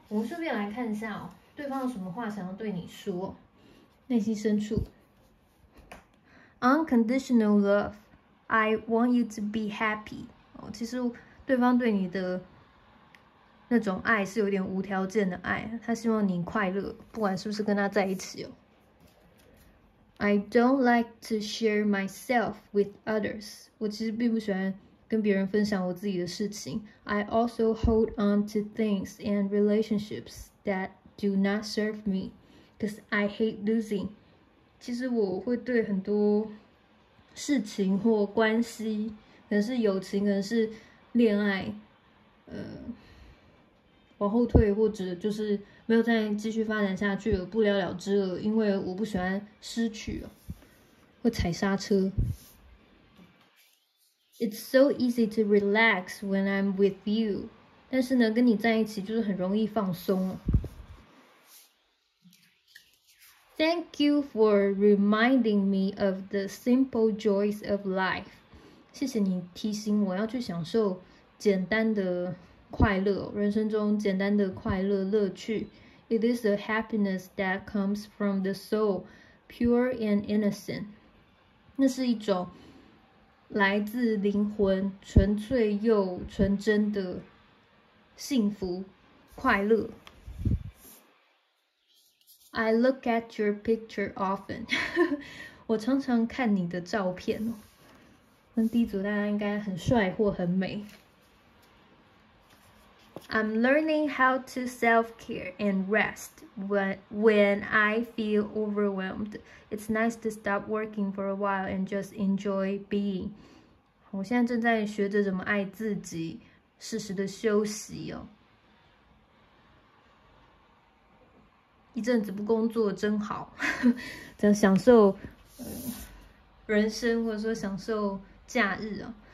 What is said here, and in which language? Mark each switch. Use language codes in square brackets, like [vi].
[zh] 我们顺便来看一下哦，对方有什么话想要对你说，内心深处。 [en] Unconditional love, I want you to be happy。 [zh] 哦，其实对方对你的那种爱是有点无条件的爱，他希望你快乐，不管是不是跟他在一起哦。 [en] I don't like to share myself with others。 [zh] 我其实并不喜欢跟别人分享我自己的事情。 [en] I also hold on to things and relationships that do not serve me, because I hate losing。 [zh] 其实我会对很多事情或关系，可能是友情，可能是恋爱，往后退，或者就是没有再继续发展下去了，不了了之了。因为我不喜欢失去，会踩刹车。 [en] It's so easy to relax when I'm with you， [zh] 但是呢，跟你在一起就是很容易放松。 [en] Thank you for reminding me of the simple joys of life。 [zh] 谢谢你提醒我要去享受简单的快乐，人生中简单的快乐乐趣。 [en] It is a happiness that comes from the soul, pure and innocent。 [zh] 那是一种来自灵魂、纯粹又纯真的幸福、快乐。 [en] I look at your picture often [zh] 我常常看你的照片哦。那第一组大家应该很帅或很美。 [en] I'm learning how to self-care and rest when I feel overwhelmed. It's nice to stop working for a while and just enjoy being. [zh] 我现在正在学着怎么爱自己，适时的休息哦。一阵子不工作真好，这样享受人生，或者说享受假日哦。